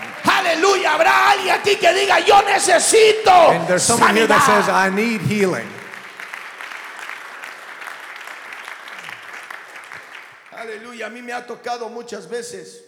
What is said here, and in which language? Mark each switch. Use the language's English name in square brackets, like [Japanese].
[Spanish] Hallelujah, habrá alguien aquí que diga yo necesito sanidad. [English] And there's someone here that says I need healing. [Spanish] Hallelujah, a mí me ha tocado muchas veces.